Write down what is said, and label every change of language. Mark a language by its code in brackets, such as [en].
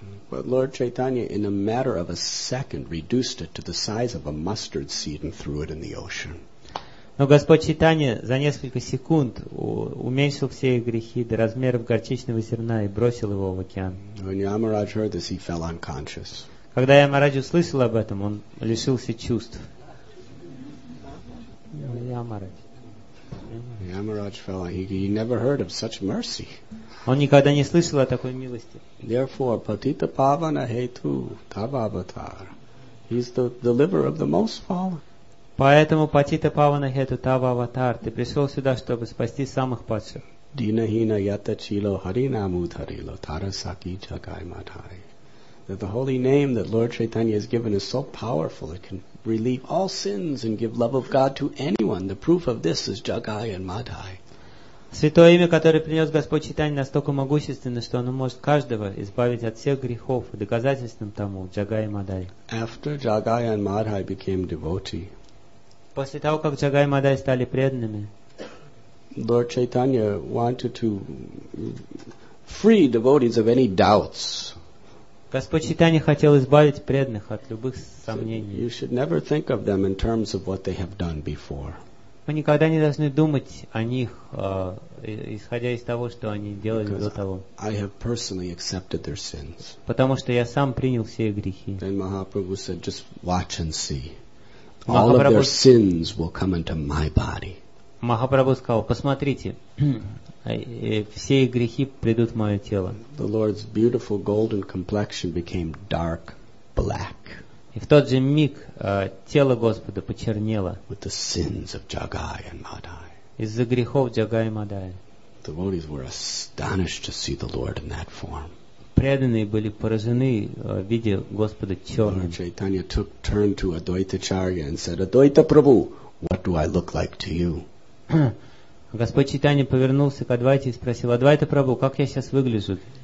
[en] But Lord Chaitanya, in a matter of a second, reduced it to the size of a mustard seed and threw it in the ocean. [ru] Но Господь Чайтанья за несколько секунд уменьшил все их грехи до размеров горчичного зерна и бросил его в океан. [en] When Yamaraj heard this, he fell unconscious. [ru] Когда Ямарадж услышал об этом, он лишился чувств. Ямарадж. [en] Yamaraj fellow, he never heard of such mercy. [ru] Он никогда не слышал о такой милости. [sa] Therefore, Patita Pavana Hetu Tavavatar. [en] He's the deliverer of the most fallen. [ru] Поэтому Патита Павана Хету Тававатар, ты пришел сюда, чтобы спасти самых падших. [bn] Динахина ята чило харинамутарило тарасаки чакай матхари. [en] That the holy name that Lord Chaitanya has given is so powerful it can relieve all sins and give love of God to anyone. The proof of this is Jagai and Madhai. [ru] Святое имя, которое принес Господь Чайтанья, настолько могущественно, что оно может каждого избавить от всех грехов, и доказательством тому Джагай и Мадай. [en] After Jagai and Madhai became devotee, [ru] после того, как Джагай и Мадай стали преданными, [en] Lord Chaitanya wanted to free devotees of any doubts. [ru] Господь Чайтанья хотел избавить преданных от любых сомнений. [en] You should never think of them in terms of what they have done before. [ru] Мы никогда не должны думать о них, исходя из того, что они делали до того. [en] I have personally accepted their sins. [ru] Потому что я сам принял все грехи. [en] Then Mahaprabhu said, just watch and see. All of their sins will come into my body. [ru] Махапрабху сказал, посмотрите, все их грехи придут в мое тело. [en] The Lord's beautiful golden complexion became dark black. [ru] И в тот же миг тело Господа почернело. [en] With the sins of Jagai and Madai. [ru] Из-за грехов Джагая и Мадая. [en] The devotees were astonished to see the Lord in that form. [ru] Преданные были поражены, видя Господа черным. [en] Lord Chaitanya took turn to Adwaita Charya and said, Adwaita Prabhu, what do I look like to you? [ru] Господь Чайтанья повернулся к Адвайте и спросил, Адвайта Прабху, как я сейчас выгляжу?